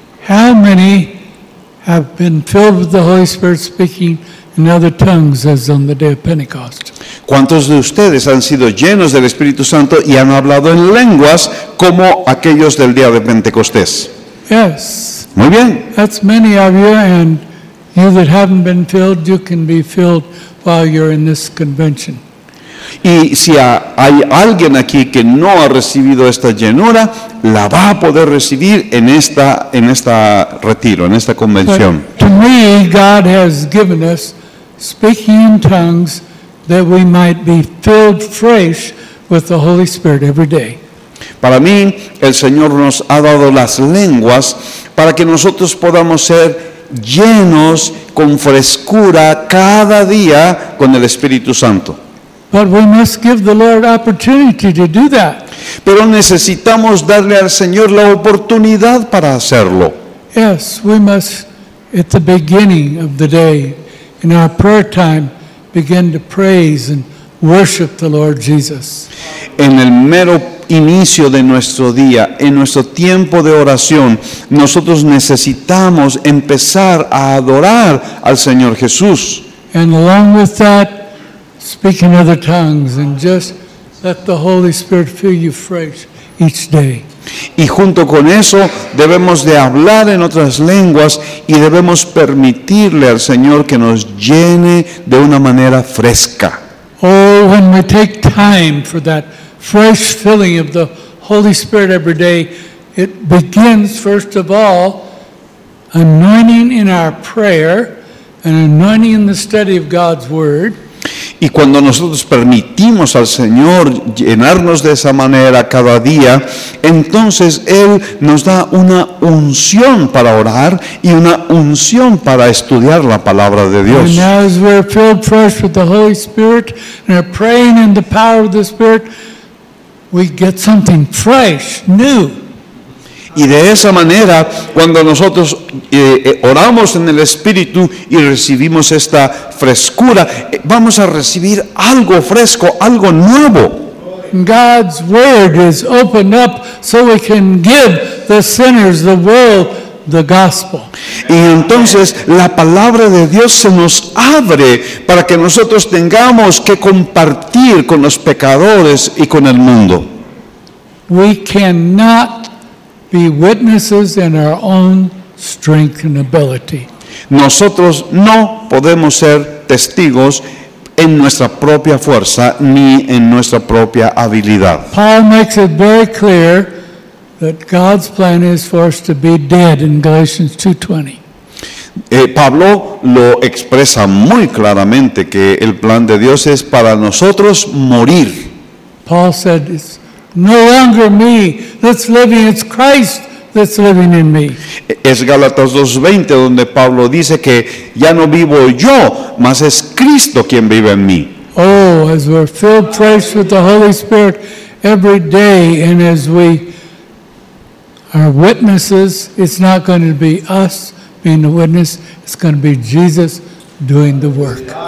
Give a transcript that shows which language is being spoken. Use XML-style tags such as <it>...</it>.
<en>How many have been filled with the Holy Spirit speaking in other tongues as on the day of Pentecost?</en> <es>¿Cuántos de ustedes han sido llenos del Espíritu Santo y han hablado en lenguas como aquellos del día de Pentecostés?</es> <en>Yes.</en> <es>Muy bien.</es> <en>That's many of you, and you that haven't been filled, you can be filled while you're in this convention.</en> <es>Y si hay alguien aquí que no ha recibido esta llenura, la va a poder recibir en esta retiro, en esta convención.</es> <en>But to me, God has given us speaking in tongues that we might be filled fresh with the Holy Spirit every day.</en> <es>Para mí, el Señor nos ha dado las lenguas para que nosotros podamos ser llenos con frescura cada día con el Espíritu Santo.</es> <en>But we must give the Lord opportunity to do that.</en> <es>Pero necesitamos darle al Señor la oportunidad para hacerlo.</es> <en>Yes, we must, at the beginning of the day, in our prayer time, begin to praise and worship the Lord Jesus.</en> <es>En el mero inicio de nuestro día, en nuestro tiempo de oración, nosotros necesitamos empezar a adorar al Señor Jesús.</es> <en>And along with that, speak in other tongues and just let the Holy Spirit fill you fresh each day.</en> <es>Y junto con eso, debemos de hablar en otras lenguas y debemos permitirle al Señor que nos llene de una manera fresca.</es> <en>Oh, when we take time for that fresh filling of the Holy Spirit every day, it begins, first of all, anointing in our prayer and anointing in the study of God's Word.</en> <es>Y cuando nosotros permitimos al Señor llenarnos de esa manera cada día, entonces Él nos da una unción para orar y una unción para estudiar la palabra de Dios.</es> <en>And now as we're filled fresh with the Holy Spirit and are praying in the power of the Spirit, we get something fresh, new.</en> <es>Y de esa manera, cuando nosotros oramos en el Espíritu y recibimos esta frescura, vamos a recibir algo fresco, algo nuevo.</es> <en>God's word is opened up so we can give the sinners, the world, the gospel.</en> <es>Y entonces la palabra de Dios se nos abre para que nosotros tengamos que compartir con los pecadores y con el mundo.</es> <en>We cannot be witnesses in our own strength and ability.</en> <es>Nosotros no podemos ser testigos en nuestra propia fuerza ni en nuestra propia habilidad.</es> <en>Paul makes it very clear that God's plan is for us to be dead in Galatians 2:20.</en> <es>Pablo lo expresa muy claramente que el plan de Dios es para nosotros morir.</es> <en>Paul said, it's no longer me that's living, it's Christ that's living in me.</en> <es>Es Gálatas 2:20 donde Pablo dice que ya no vivo yo, mas es Cristo quien vive en mí.</es> <en>Oh, as we're filled fresh with the Holy Spirit every day, and as we are witnesses, it's not going to be us being the witness, it's going to be Jesus doing the work.</en>